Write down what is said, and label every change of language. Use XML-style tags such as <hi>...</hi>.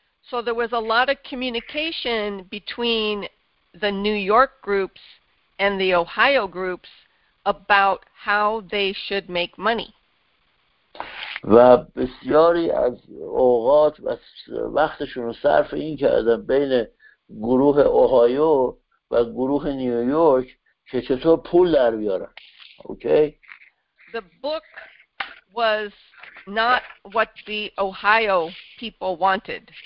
<en>So there was a lot of communication between the New York groups and the Ohio groups about how they should make money.</en> <fa>و بسیاری از اوقات و وقتشون رو صرف این کردن بین گروه اوهایو و گروه نیویورک که چطور پول در بیارن. اوکی؟</fa> <en>The book was not what the Ohio people wanted.</en>